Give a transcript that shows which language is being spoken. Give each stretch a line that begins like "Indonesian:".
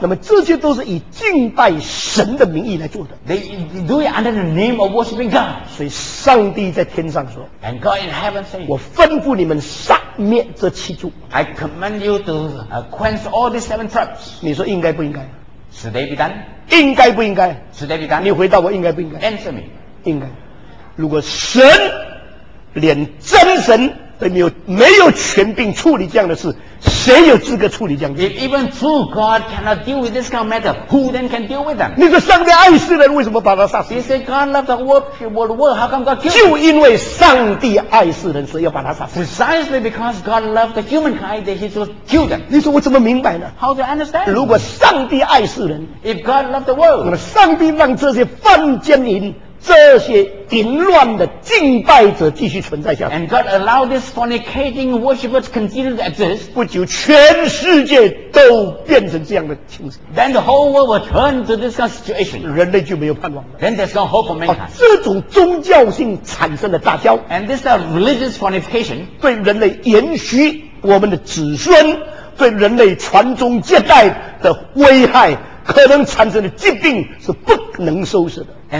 Chinese: 那么这些都是以敬拜神的名义来做的。
English: They do it under the name of worshiping God.
Chinese: 所以上帝在天上说
English: ，And God in heaven says,
Chinese: 我吩咐你们杀灭这七族。
English: I command you to quench all these seven tribes.
Chinese: 你说应该不应该
English: ？Should they be done?
Chinese: 应该不应该
English: ？Should they be done?
Chinese: 你回答我应该不应该
English: ？Answer me.
Chinese: 应该。如果神连真神都没有权柄处理这样的事，谁有资格处理这样的事
English: ？If even true God cannot deal with this kind of matter, who then can deal with them?
Chinese: 你说上帝爱世人，为什么把他杀死
English: ？He said God loved the world, how come God killed?
Chinese: 就因为上帝爱世人，所以要把他杀死。
English: Precisely because God loved the humankind, that He should kill them.
Chinese: 你说我怎么明白呢
English: ？How do I understand?
Chinese: 如果上帝爱世人
English: ，If God loved the world,
Chinese: 那么上帝让这些犯奸淫。这些淫乱的敬拜者继续存在下去。
English: And God allowed these fornicating worshippers to continue to exist.
Chinese: 不久，全世界都变成这样的情形。
English: Then the whole world will turn to this kind of situation.
Chinese: 人类就没有盼望了。
English: Then there's no hope for mankind.
Chinese: 这种宗教性产生的杂交。
English: And this is religious fornication.
Chinese: 对人类延续我们的子孙，对人类传宗接代的危害，可能产生的疾病是不能收拾的。